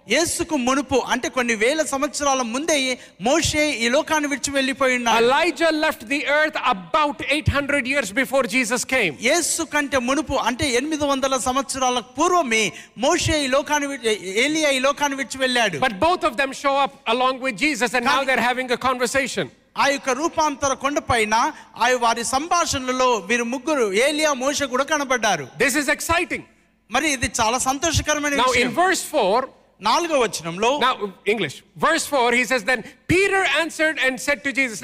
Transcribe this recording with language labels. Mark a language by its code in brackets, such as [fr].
[te] యేసుకు మునుపు అంటే కొన్ని వేల సంవత్సరాల ముందే మోషే ఈ లోకాన్ని విడిచి వెళ్ళిపోయినాడు. [en] Elijah left the earth about 800 years before Jesus came. [te] యేసు కంటే మునుపు అంటే 800 సంవత్సరాల పూర్వమే మోషే ఈ లోకాన్ని ఏలియా ఈ లోకాన్ని విడిచి వెళ్ళాడు. [en] But both of them show up along with Jesus and now they're having a conversation. [te] ఆ యొక్క రూపాంతర కొండ పైన ఆ వారి సంభాషణలో వీరు ముగ్గురు ఏలియా, మోషే కూడా కనబడ్డారు. [en] this is exciting, [te] మరి ఇది చాలా సంతోషకరమైన విషయం. [en] now in verse 4, [te] నాలుగో వచనంలో, [en] Now English verse 4, he says then Peter answered and said to Jesus.